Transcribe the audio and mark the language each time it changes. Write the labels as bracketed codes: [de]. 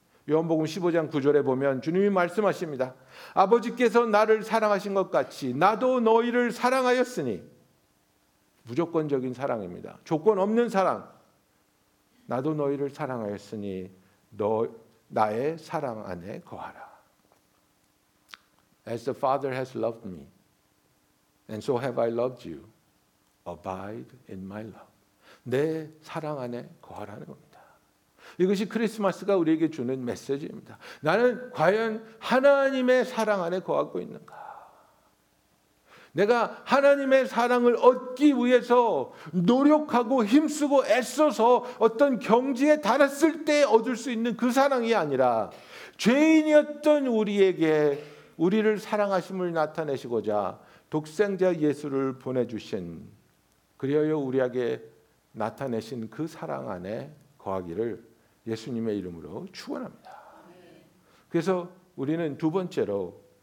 [ko] 요한복음 15장 9절에 보면 주님이 말씀하십니다. 아버지께서 나를 사랑하신 것 같이 나도 너희를 사랑하였으니, 무조건적인 사랑입니다. 조건 없는 사랑. 나도 너희를 사랑하였으니 너 나의 사랑 안에 거하라. [en] As the Father has loved me, and so have I loved you. Abide in my love. [ko] 내 사랑 안에 거하라는 겁니다. 이것이 크리스마스가 우리에게 주는 메시지입니다. 나는 과연 하나님의 사랑 안에 거하고 있는가? 내가 하나님의 사랑을 얻기 위해서 노력하고 힘쓰고 애써서 어떤 경지에 달았을 때 얻을 수 있는 그 사랑이 아니라 죄인이었던 우리에게 우리를 사랑하심을 나타내시고자 독생자 예수를 보내주신, 그리하여 우리에게 나타내신 그 사랑 안에 거하기를 예수님의 이름으로 축원합니다. 그래서 우리는 두 번째로